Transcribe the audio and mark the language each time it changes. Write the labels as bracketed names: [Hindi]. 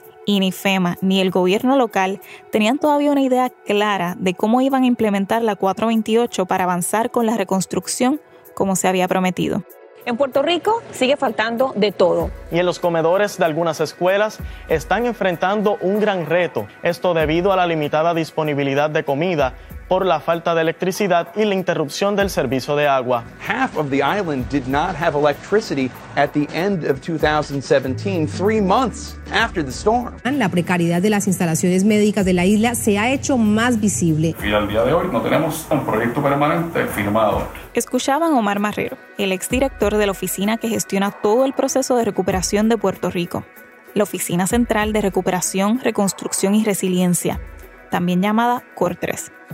[Spanish] Y ni FEMA ni el gobierno local tenían todavía una idea clara de cómo iban a implementar la 428 para avanzar con la reconstrucción como se había prometido. En Puerto Rico sigue faltando de todo. Y en los comedores de algunas escuelas están enfrentando un gran reto. Esto debido a la limitada disponibilidad de comida por la falta de electricidad y la interrupción del servicio de agua. [English] Half of the island did not have electricity at the end of 2017, 3 months after the storm. [Spanish] La precariedad de las instalaciones médicas de la isla se ha hecho más visible. Y al día de hoy no tenemos un proyecto permanente firmado. Escuchaban a Omar Marrero, el exdirector de la oficina que gestiona todo el proceso de recuperación de Puerto Rico, la Oficina Central de Recuperación, Reconstrucción y Resiliencia, también llamada CORTRES.